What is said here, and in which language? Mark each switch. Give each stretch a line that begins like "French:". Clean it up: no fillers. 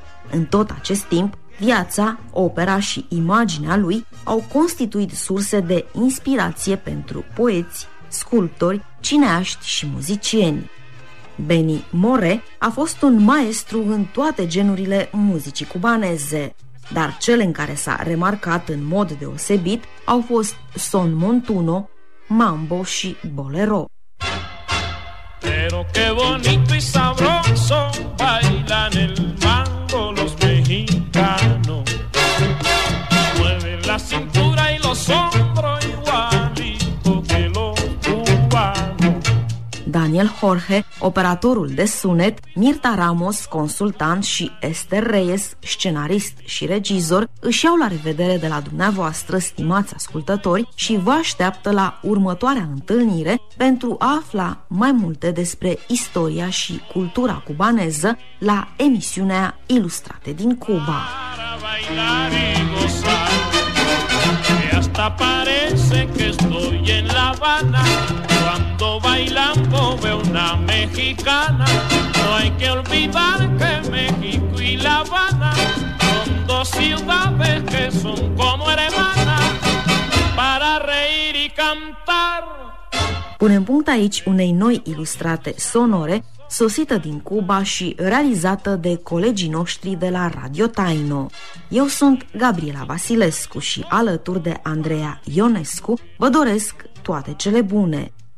Romanian: În tot acest timp, viața, opera și imaginea lui au constituit surse de inspirație pentru poeți, sculptori, cineaști și muzicieni. Benny More a fost un maestru în toate genurile muzicii cubaneze, dar cele în care s-a remarcat în mod deosebit au fost Son Montuno, Mambo și Bolero.
Spanish: Pero qué bonito y sabroso bailan el mambo los mexicanos. Mueve la cintura y los hombros igualito que los cubanos.
Romanian: Daniel Jorge, operatorul de sunet, Mirta Ramos, consultant, și Esther Reyes, scenarist și regizor, își iau la revedere de la dumneavoastră, stimați ascultători, și vă așteaptă la următoarea întâlnire pentru a afla mai multe despre istoria și cultura cubaneză la emisiunea Ilustrate din Cuba.
Spanish: Bailando veo una mexicana, no hay que olvidar que México y La Habana son dos ciudades que son como hermanas para reír y cantar.
Romanian: Punem punct aici unei noi ilustrate sonore sosită din Cuba și realizată de colegii noștri de la Radio Taino. Eu sunt Gabriela Vasilescu și alături de Andreea Ionescu vă doresc toate cele bune.